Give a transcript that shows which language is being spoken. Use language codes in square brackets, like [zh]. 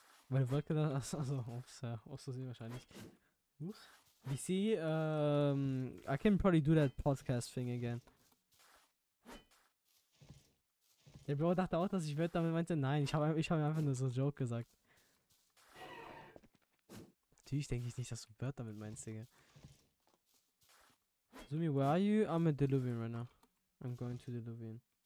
[de] Weil Wolke da, also ups, ja, aus Versehen wahrscheinlich. [en] DC, I can probably do that podcast thing again. [de] Der Bro dachte auch, dass ich Wörter damit meinte. Nein, ich hab einfach nur so einen Joke gesagt. Natürlich denke ich nicht, dass du Wörter damit meinst, Digga. [en] Zumi, where are you? I'm a DILUVIAN right now. I'm going to DILUVIAN.